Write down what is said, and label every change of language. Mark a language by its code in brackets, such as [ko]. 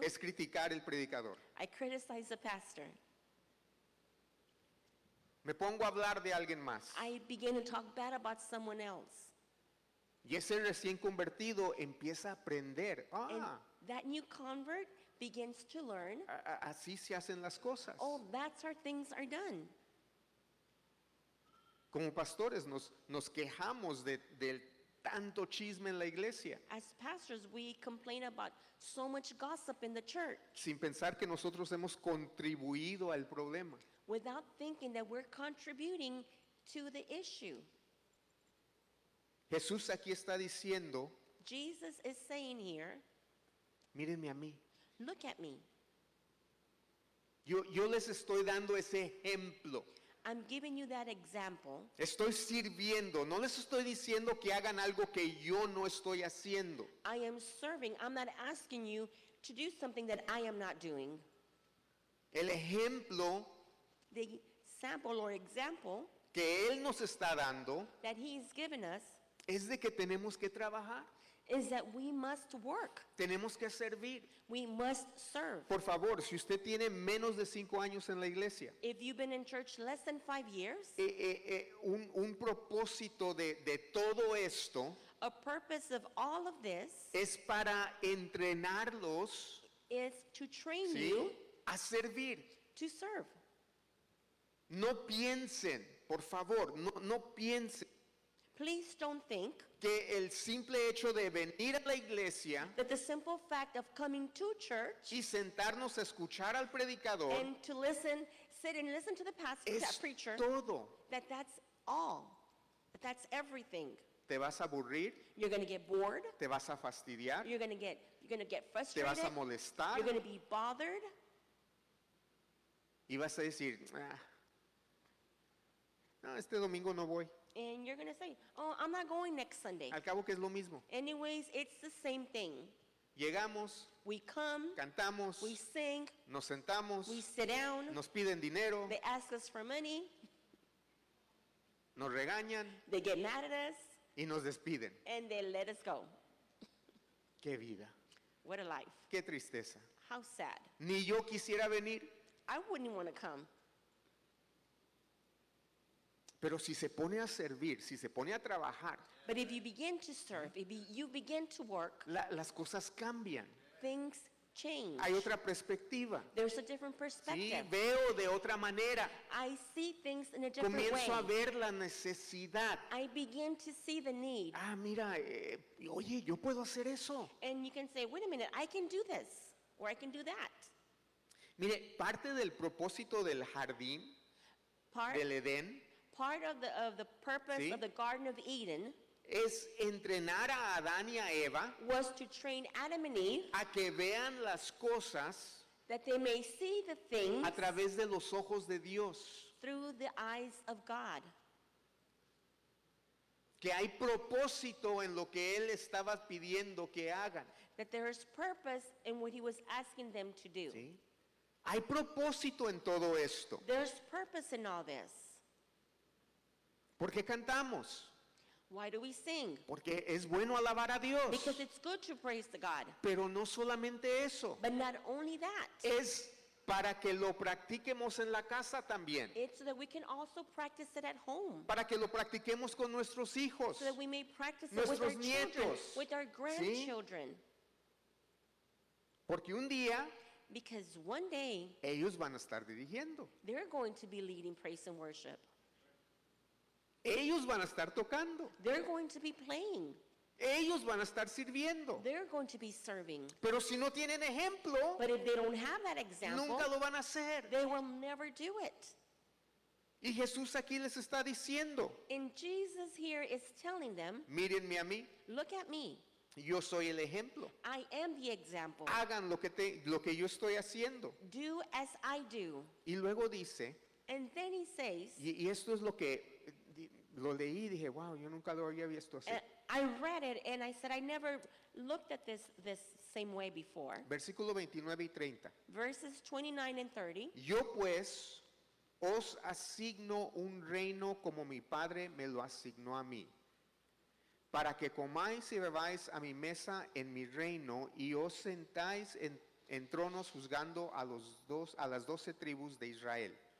[es] es criticar el predicador. [en] I criticize the pastor. [es] Me pongo a hablar de alguien más. [en] I begin to talk bad about someone else. [es] Y ese recién convertido empieza a aprender. Ah, [en] and that new convert begins to learn. [es] Así se hacen las cosas. [en] Oh, that's how things are done. [es] Como pastores nos quejamos del tanto chisme en la iglesia. [en] As pastors, we complain about so much gossip in the church. [es] Sin pensar que nosotros hemos contribuido al problema. [en] Without thinking that we're contributing to the issue. [es] Jesús aquí está diciendo, [en] Jesus is saying here, [es] mírenme a mí. [en] Look at me. [es] Yo les estoy dando ese ejemplo. [en] I'm giving you that example. [es] Estoy sirviendo. No les estoy diciendo que hagan algo que yo no estoy haciendo. [en] I am serving. I'm not asking you to do something that I am not doing. [es] El ejemplo, [en] the sample or example, [es] que él nos está dando, [en] that he has given us, [es] es de que tenemos que trabajar. [en] Is that we must work. [es] Tenemos que servir. [en] We must serve. [es] Por favor, si usted tiene menos de 5 años en la iglesia, [en] if you've been in church less than 5 years, [es] un propósito de todo esto, [en] a purpose of all of this, [es] es para entrenarlos, [en] is to train, [es] ¿sí?, [en] you [es] a servir, [en] to serve. [es] No piensen, por favor, no piensen. [en] Please don't think [es] que el simple hecho de venir a la iglesia, [en] that the simple fact of coming to church, [es] y sentarnos a escuchar al predicador, [en] and to listen, sit and listen to the pastor, [es] es [en] that preacher, [es] todo. [en] That's all. That's everything. [es] Te vas a aburrir. [en] You're going to get bored. [es] Te vas a fastidiar. [en] You're going to get frustrated. [es] Te vas a molestar. [en] You're going to be bothered. [es] Y vas a decir, no, este domingo no voy. [en] And you're going to say, oh, I'm not going next Sunday. [es] Al cabo que es lo mismo. [en] Anyways, it's the same thing. [es] Llegamos. [en] We come. [es] Cantamos. [en] We sing. [es] Nos sentamos. [en] We sit down. [es] Nos piden dinero. [en] They ask us for money. [es] Nos regañan. [en] They get mad at us. [es] Y nos despiden. [en] And they let us go. [es] Qué vida. [en] What a life. [es] Qué tristeza. [en] How sad. [es] Ni yo quisiera venir. [en] I wouldn't want to come. [es] Pero si se pone a servir, si se pone a trabajar, [en] but if you begin to serve, if you begin to work, [es] las cosas cambian. [en] Things change. [es] Hay otra perspectiva. [en] There's a different perspective. [es] Sí, veo de otra manera. [en] I see things in a different [es] comienzo [en] way. [es] Comienzo a ver la necesidad. [en] I begin to see the need. [es] Ah, mira, oye, yo puedo hacer eso. [en] And you can say, wait a minute, I can do this, or I can do that. [es] Mire, parte del propósito del jardín, del Edén, [en] part of the purpose, [es] ¿sí?, [en] of the Garden of Eden, [es] es entrenar a Adán y a Eva, [en] was to train Adam and Eve, [es] a que vean las cosas, [en] that they may see the things, [es] a través de los ojos de Dios, [en] through the eyes of God, [es] que hay propósito en lo que él estaba pidiendo que hagan, [en] that there is purpose in what he was asking them to do. [es] ¿Sí? Hay propósito en todo esto. [en] There's purpose in all this. [es] ¿Por qué cantamos? [en] Why do we sing? [es] Porque es bueno alabar a Dios. [en] Because it's good to praise the God. [es] Pero no solamente eso. [en] But not only that. [es] Es para que lo practiquemos en la casa también. [en] It's so that we can also practice it at home. [es] Para que lo practiquemos con nuestros hijos. [en] So that we may practice [es] nuestros [en] it with [es] nietos. [en] Our children, with our grandchildren. [es] Porque un día, [en] because one day, [es] ellos van a estar dirigiendo. [en] They're going to be leading praise and worship. [es] Ellos van a estar tocando. [en] They're going to be playing. [es] Ellos van a estar sirviendo. [en] They're going to be serving. [es] Pero si no tienen ejemplo, [en] but if they don't have that example, [es] nunca lo van a hacer. [en] They will never do it. [es] Y Jesús aquí les está diciendo, [en] and Jesus here is telling them, [es] mírenme a mí. [en] Look at me. [es] Yo soy el ejemplo. [en] I am the example. [es] Hagan lo que yo estoy haciendo. [en] Do as I do. [es] Y luego dice. [en] And then he says. [es] Y esto es lo que lo leí y dije, wow, yo nunca lo había visto así. [en] I read it and I said I never looked at this same way before. [es] Versículo 29 y 30. [en] Verses 29 and 30. [es] Yo pues os asigno un reino como mi padre me lo asignó a mí, para que comáis y bebáis a mi mesa en mi reino y os sentáis en tronos juzgando a las doce tribus de Israel.